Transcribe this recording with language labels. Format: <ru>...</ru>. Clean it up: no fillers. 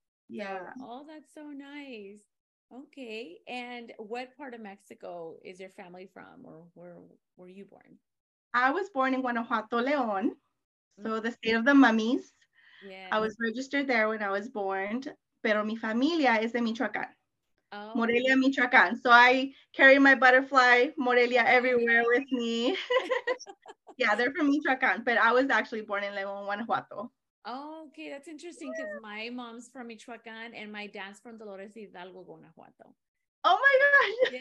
<en>Yeah. That's so nice. Okay. And what part of Mexico is your family from or where were you born? I was born in Guanajuato, León. So the state of the mummies. Yeah. I was registered there when I was born.</en> <es>Pero mi familia es de Michoacán.</es> <en>Oh. Morelia, Michoacán. So I carry my butterfly Morelia everywhere with me. Yeah, they're from Michoacán. But I was actually born in León, Guanajuato. Oh, okay. That's interesting because my mom's from Michoacán and my dad's from Dolores Hidalgo, Guanajuato. Oh my gosh.</en>